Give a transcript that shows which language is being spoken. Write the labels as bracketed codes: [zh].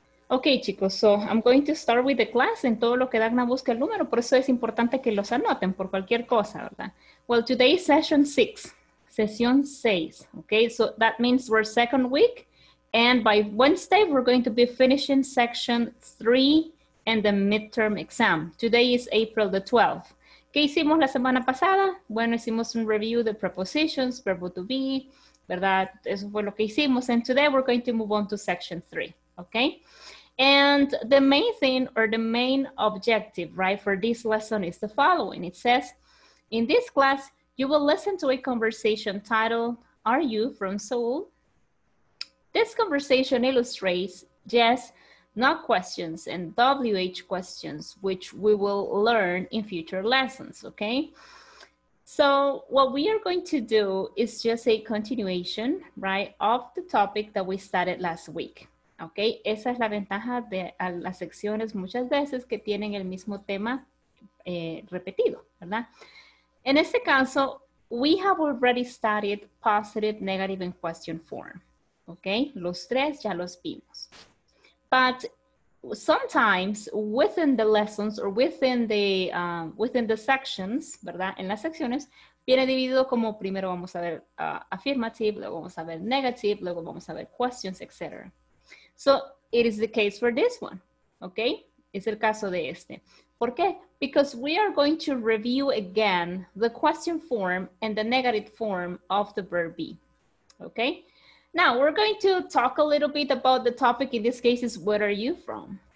[en] Okay, chicos, so I'm going to start with the class. [es] En todo lo que Dagna busca el número, por eso es importante que los anoten por cualquier cosa, ¿verdad? [en] Well, today is session 6, sesión 6, okay? So that means we're second week, and by Wednesday, we're going to be finishing section 3 and the midterm exam. Today is April the 12th. [es] ¿Qué hicimos la semana pasada? Bueno, hicimos un review de prepositions, verbo to be, ¿verdad? Eso fue lo que hicimos, [en] and today we're going to move on to section 3. [es] Okay, [en] And the main thing or the main objective, right, for this lesson is the following. It says, in this class, you will listen to a conversation titled, Are You from Seoul? This conversation illustrates yes, no questions and WH questions, which we will learn in future lessons, okay? So what we are going to do is just a continuation, right, of the topic that we started last week. [es] Okay, esa es la ventaja de las secciones muchas veces que tienen el mismo tema repetido, ¿verdad? En este caso, [en] we have already studied positive, negative, and question form. [es] Okay, los tres ya los vimos. [en] But sometimes within the lessons or within the sections, ¿verdad? [es] En las secciones, viene dividido como primero vamos a ver affirmative, luego vamos a ver negative, luego vamos a ver questions, etc. [en] So, it is the case for this one, okay? [es] Es el caso de este. ¿Por qué? [en] Because we are going to review again the question form and the negative form of the verb be, okay? Now, we're going to talk a little bit about the topic. In this case, is where are you from?